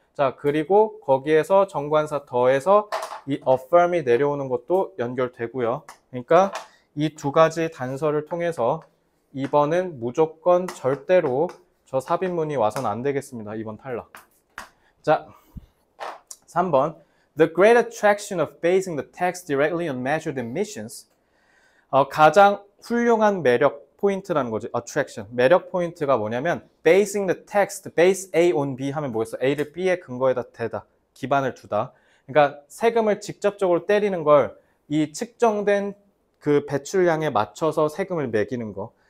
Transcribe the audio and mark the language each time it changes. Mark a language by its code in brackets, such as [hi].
[ko] 자, 그리고 거기에서 정관사 더해서 이 affirm이 내려오는 것도 연결되고요. 그러니까 이두 가지 단서를 통해서 2번은 무조건 절대로 저 삽입문이 와선 안 되겠습니다. 2번 탈락. 자, 3번. [en] The great attraction of basing the tax directly on measured emissions. [ko] 가장 훌륭한 매력 포인트라는 거지. Attraction. 매력 포인트가 뭐냐면, [en] basing the tax, base A on B [ko] 하면 뭐겠어? A를 B의 근거에다 대다. 기반을 두다. 그러니까 세금을 직접적으로 때리는 걸이 측정된 그 배출량에 맞춰서 세금을 매기는 거.